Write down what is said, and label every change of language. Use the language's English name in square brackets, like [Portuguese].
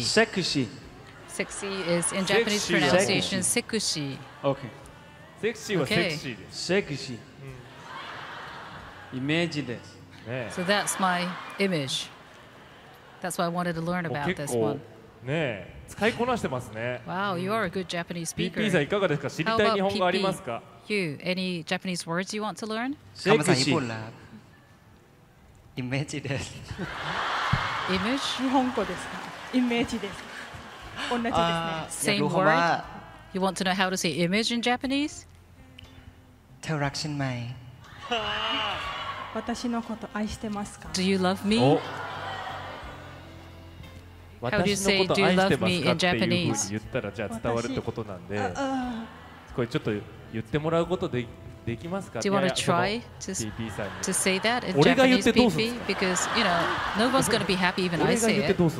[Japanese] Sekushi. [English] Sexy is in Japanese pronunciation sekushi. Okay. Sexy was sexy. Sexy. Image です。 So that's my image. That's what I wanted to learn about this one. [Japanese] ねえ、使いこなしてますね。 [English] Wow, you are a good Japanese speaker. [Japanese] PP さんいかがですか。知りたい日本語ありますか。 [English] You, any Japanese words you want to learn? Sexy. Image です。 Image? [Japanese] 日本語ですか。Image です。 [English] Same word. You want to know how to say image in Japanese? [Thai] Terakshin mai. [Japanese] Watashi no koto aishite masu ka? [English] Do you love me? How do you say do you love me in Japanese? [Japanese] っていうふうに言ったらじゃあ伝わるってことなんで、これちょっと言ってもらうことできますか？ [English] Do you want to try to say that in Japanese, BP? Because you know, no one's gonna be happy even I say it.